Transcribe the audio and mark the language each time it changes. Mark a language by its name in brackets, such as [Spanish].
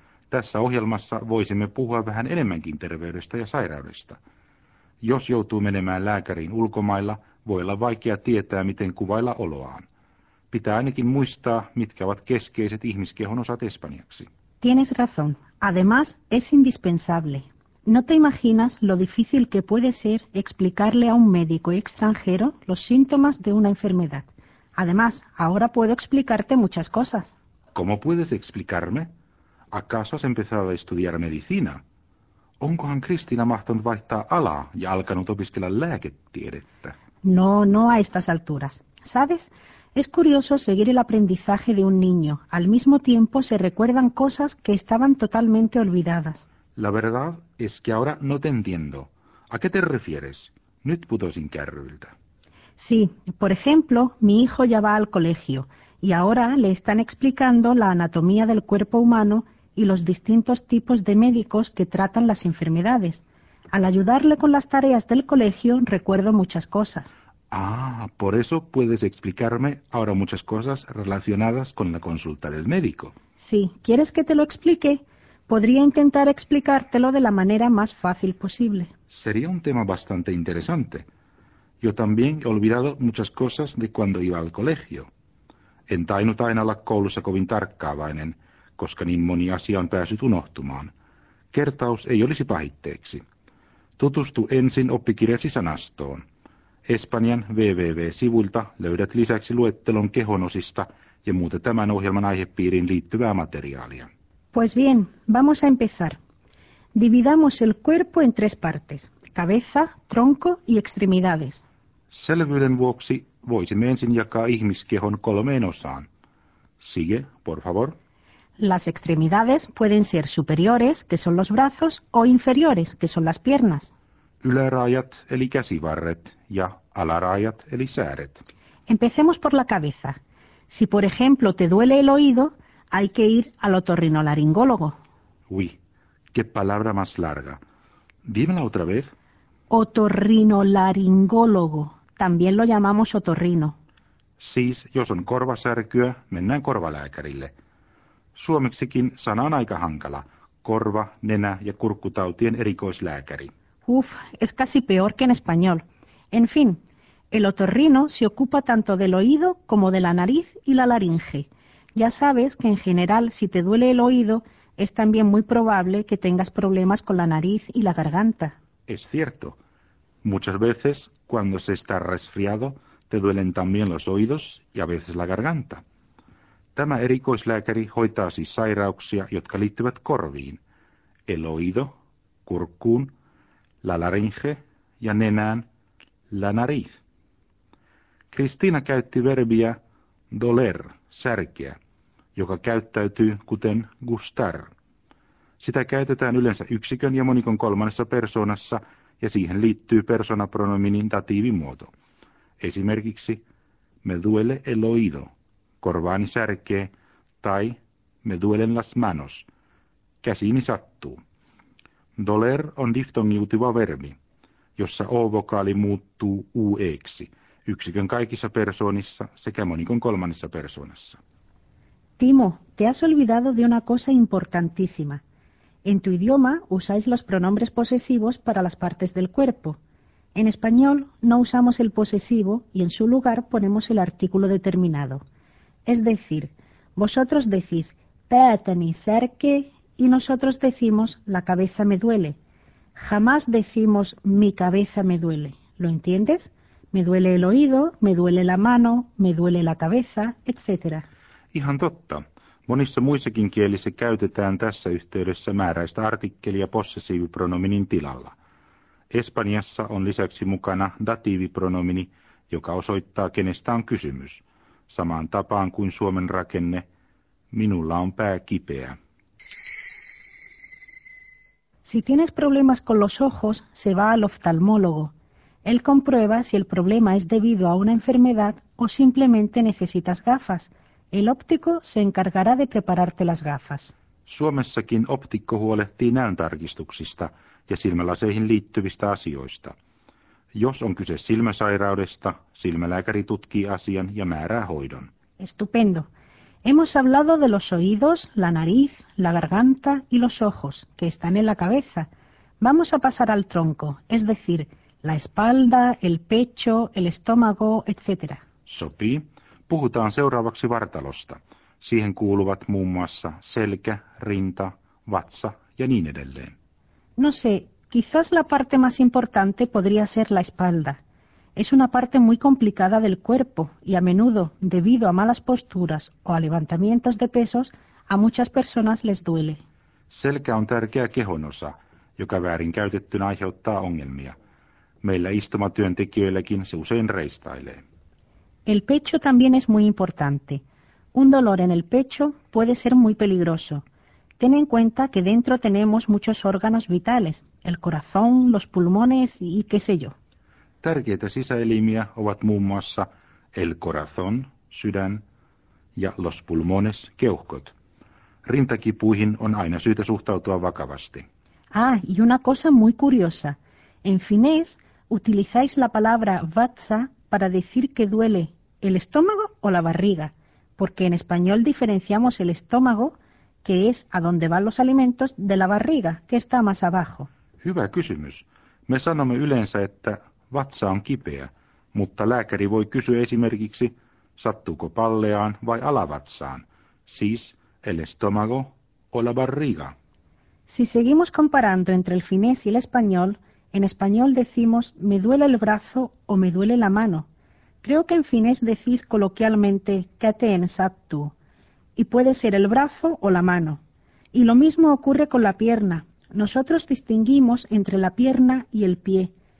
[Finnish] Tässä ohjelmassa voisimme puhua vähän enemmänkin terveydestä ja sairaudesta. Jos joutuu menemään lääkäriin ulkomailla, voi olla vaikea tietää, miten kuvailla oloaan. Pitää ainakin muistaa, mitkä ovat keskeiset ihmiskehon osat espanjaksi. [Spanish] Tienes razón. Además, es indispensable. No te imaginas lo difícil que puede ser explicarle a un médico extranjero los síntomas de una enfermedad. Además, ahora puedo explicarte muchas cosas. ¿Cómo puedes explicarme? ¿Acaso has empezado a estudiar medicina? [Finnish] ¿Onkohan Cristina mahtanut vaihtaa alaa ja alkanut opiskella lääketiedettä? [Spanish] No, no a estas alturas. ¿Sabes? Es curioso seguir el aprendizaje de un niño. Al mismo tiempo se recuerdan cosas que estaban totalmente olvidadas. La verdad es que ahora no te entiendo. ¿A qué te refieres? [Finnish] Nyt putosin kärryiltä. [Spanish] Sí, por ejemplo, mi hijo ya va al colegio y ahora le están explicando la anatomía del cuerpo humano y los distintos tipos de médicos que tratan las enfermedades. Al ayudarle con las tareas del colegio, recuerdo muchas cosas. Ah, por eso puedes explicarme ahora muchas cosas relacionadas con la consulta del médico. Sí, ¿quieres que te lo explique? Podría intentar explicártelo de la manera más fácil posible. Sería un tema bastante interesante. Yo también he olvidado muchas cosas de cuando iba al colegio. [Finnish] En tainnut aina olla koulussa kovin tarkkaavainen, koska niin moni asia on päässyt unohtumaan. Kertaus ei olisi pahitteeksi. Tutustu ensin oppikirjasi sanastoon. Espanjan www-sivuilta löydät lisäksi luettelon kehonosista ja muuta tämän ohjelman aihepiiriin liittyvää materiaalia. [Spanish] Pues bien, vamos a empezar. Dividamos el cuerpo en tres partes: cabeza, tronco y extremidades. [Finnish] Selvyyden vuoksi voisimme ensin jakaa ihmiskehon kolmeen osaan. [Spanish] Sigue, por favor. Las extremidades pueden ser superiores, que son los brazos, o inferiores, que son las piernas. [Finnish] Yläraajat, eli käsivarret, ja alaraajat, eli sääret. [Spanish] Empecemos por la cabeza. Si, por ejemplo, te duele el oído, hay que ir al otorrinolaringólogo. Uy, qué palabra más larga. Dímela otra vez. Otorrinolaringólogo. También lo llamamos otorrino. [Finnish] Siis, jos on korvasärkyä, mennään korvalääkärille. Suomeksikin sana on aika hankala. Korva, nenä ja kurkkutautien erikoislääkäri. [Spanish] Uf, es casi peor que en español. En fin, el otorrino se ocupa tanto del oído como de la nariz y la laringe. Ya sabes que en general, si te duele el oído, es también muy probable que tengas problemas con la nariz y la garganta. Es cierto. Muchas veces, cuando se está resfriado, te duelen también los oídos y a veces la garganta. [Finnish] Tämä erikoislääkäri hoitaa siis sairauksia, jotka liittyvät korviin. [Spanish] El oído, [Finnish] kurkkuun, [Spanish] la laringe [Finnish] ja nenään, [Spanish] la nariz. [Finnish] Cristina käytti verbiä doler, särkeä, joka käyttäytyy kuten gustar. Sitä käytetään yleensä yksikön ja monikon kolmannessa persoonassa, ja siihen liittyy persoonapronominin datiivimuoto. Esimerkiksi, [Spanish] me duele el oído, [Finnish] korvaani särkee, tai [Spanish] me duelen las manos, [Finnish] käsiini sattuu. Doler on diftongiutiva verbi, jossa o-vokaali muuttuu ueksi, yksikön kaikissa persoonissa sekä monikon kolmannessa persoonassa. [Spanish] Timo, te has olvidado de una cosa importantísima. En tu idioma usáis los pronombres posesivos para las partes del cuerpo. En español no usamos el posesivo y en su lugar ponemos el artículo determinado. Es decir, vosotros decís [Finnish] «pätäni särke» [Spanish] y nosotros decimos «la cabeza me duele». Jamás decimos «mi cabeza me duele». ¿Lo entiendes? Me duele el oído, me duele la mano, me duele la cabeza, etcétera. [Finnish] Ihan totta. Monissa muissakin kielissä käytetään tässä yhteydessä määräistä artikkelia possessiivipronominin tilalla. Espanjassa on lisäksi mukana datiivipronomini, joka osoittaa, kenestä on kysymys. Samaan tapaan kuin Suomen rakenne, minulla on pää kipeä. [Spanish] Si tienes problemas con los ojos, se va al oftalmólogo. Él comprueba si el problema es debido a una enfermedad o simplemente necesitas gafas. El óptico se encargará de prepararte las gafas. [Finnish] Suomessakin optikko huolehtii näön tarkistuksista ja silmälaseihin liittyvistä asioista. Jos on kyse silmäsairaudesta, silmälääkäri tutkii asian ja määrää hoidon. [Spanish] Estupendo. Hemos hablado de los oídos, la nariz, la garganta y los ojos, que están en la cabeza. Vamos a pasar al tronco, es decir, la espalda, el pecho, el estómago, etc. [Finnish] Sopii. Puhutaan seuraavaksi vartalosta. Siihen kuuluvat muun muassa selkä, rinta, vatsa ja niin edelleen. [Spanish] No sé, quizás la parte más importante podría ser la espalda. Es una parte muy complicada del cuerpo y a menudo, debido a malas posturas o a levantamientos de pesos, a muchas personas les duele. [Finnish] Selkä on tärkeä kehonosa, joka väärinkäytettynä aiheuttaa ongelmia. Meillä istumatyöntekijöilläkin se usein reistailee. [Spanish] El pecho también es muy importante. Un dolor en el pecho puede ser muy peligroso. Ten en cuenta que dentro tenemos muchos órganos vitales, el corazón, los pulmones y qué sé yo. [Finnish] Tärkeitä sisäelimiä ovat muun muassa [Spanish] el corazón, [Finnish] sydän, ja [Spanish] los pulmones, [Finnish] keuhkot. Rintakipuihin on aina syytä suhtautua vakavasti. [Spanish] Ah, y una cosa muy curiosa. En finés, utilizáis la palabra vatsa para decir que duele el estómago o la barriga, porque en español diferenciamos el estómago, que es a donde van los alimentos, de la barriga, que está más abajo. [Finnish] Hyvä kysymys. Me sanomme yleensä, että vatsa on kipeä, mutta lääkäri voi kysyä esimerkiksi, sattuuko palleaan vai alavatsaan, siis [Spanish] el estómago o la barriga. Si seguimos comparando entre el finés y el español, en español decimos me duele el brazo o me duele la mano. Creo que en finés decís coloquialmente que te [Finnish] ensattu, [Spanish] y puede ser el brazo o la mano. Y lo mismo ocurre con la pierna. Nosotros distinguimos entre la pierna y el pie.